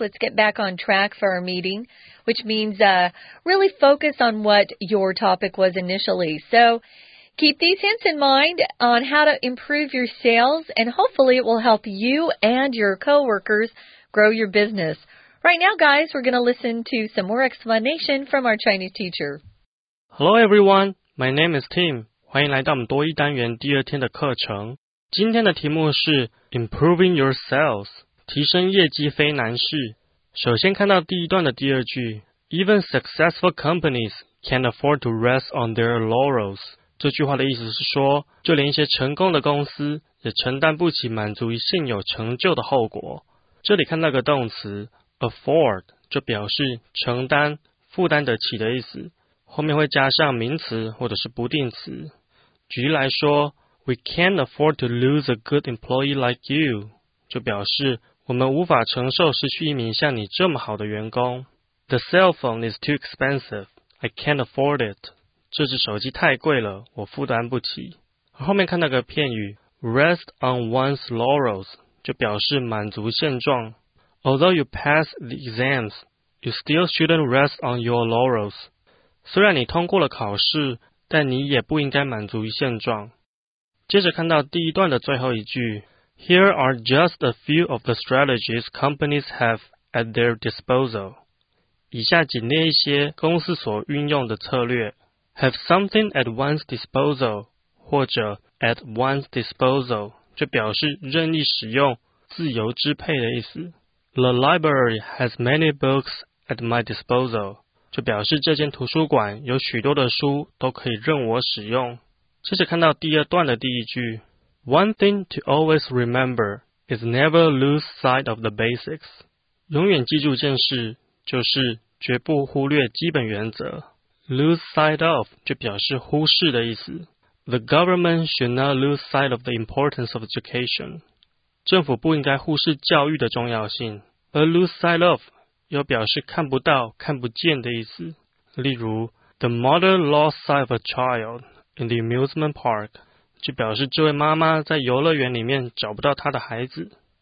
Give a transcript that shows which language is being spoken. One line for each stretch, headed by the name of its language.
English: Let's get back on track for our meeting, which means really focus on what your topic was initially. So keep these hints in mind on how to improve your sales, and hopefully it will help you and your coworkers grow your business. Right now, guys, we're going to listen to some more explanation from our Chinese teacher. Hello, everyone. My name is Tim.
Chinese: 欢迎来到我们多益单元第二天的课程。今天的题目是
English: Improving Your Sales。
Chinese: 提升业绩非难事。首先看到第一段的第二句
English: ,Even successful companies can't afford to rest on their laurels.
Chinese: 这句话的意思是说，就连一些成功的公司也承担不起满足于现有成就的后果。这里看到个动词 ,afford, 就表示承担、负担得起的意思。后面会加上名词或者是不定词。举例来说
English: ,We can't afford to lose a good employee like you.
Chinese: 就表示我们无法承受失去一名像你这么好的员工。
English: The cell phone is too expensive. I can't afford it.
Chinese: 这只手机太贵了，我负担不起。后面看到个片语 ,
English: rest on one's laurels,
Chinese: 就表示满足现状。
English: Although you pass the exams, you still shouldn't rest on your laurels.
Chinese: 虽然你通过了考试，但你也不应该满足于现状。接着看到第一段的最后一句
English: Here are just a few of the strategies companies have at their disposal.
Chinese: 以下仅列一些公司所运用的策略。
English: Have something at one's disposal,
Chinese: 或者
English: at one's disposal,
Chinese: 就表示任意使用、自由支配的意思。
English: The library has many books at my disposal,
Chinese: 就表示这间图书馆有许多的书都可以任我使用。接着看到第二段的第一句。
English: One thing to always remember is never lose sight of the basics.
Chinese: 永远记住一件事，就是绝不忽略基本原则。
English: Lose sight of
Chinese: 就表示忽视的意思。
English: The government should not lose sight of the importance of education.
Chinese: 政府不应该忽视教育的重要性。而
English: lose sight of
Chinese: 又表示看不到、看不见的意思。例如
English: ,The mother lost sight of a child in the amusement park.
Chinese: 就表示这位妈妈在游乐园里面找不到她的孩子。